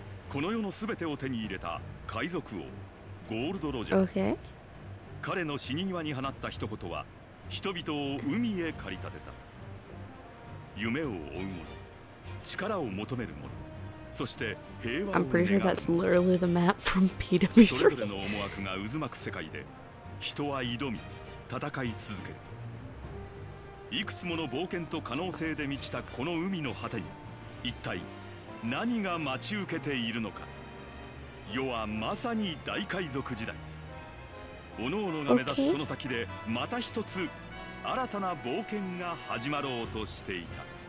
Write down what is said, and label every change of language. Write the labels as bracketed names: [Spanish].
[Japanese] この世のすべてを手に入れた海賊王、ゴールドロジャー。 [English] Okay. [Japanese] 彼の死に際に放った一言は、人々を海へ駆り立てた。夢を追う者、力を求める者。 [English] I'm pretty sure that's literally the map from PW3. [Japanese] それぞれの思惑が渦巻く世界で、人は挑み、戦い続ける。いくつもの冒険と可能性で満ちたこの海の果てに、一体何が待ち受けているのか。世はまさに大海賊時代。おのおのが目指すその先で、また一つ新たな冒険が始まろうとしていた。